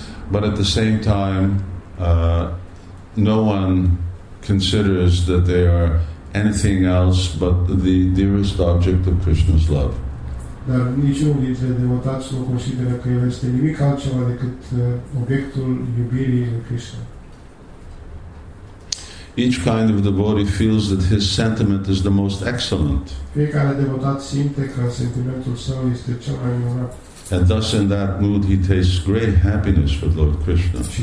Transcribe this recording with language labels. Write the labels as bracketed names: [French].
[English] But at the same time, no one considers that they are anything else but the dearest object of Krishna's love. [Romanian] Dar niciunul dintre devotați nu consideră că el este nimic altceva decât obiectul iubirii lui Krishna. [English] Each kind of devotee feels that his sentiment is the most excellent. [Romanian] Fiecare devotat simte că sentimentul său este cel mai minunat. [English] And thus in that mood he tastes great happiness with Lord Krishna.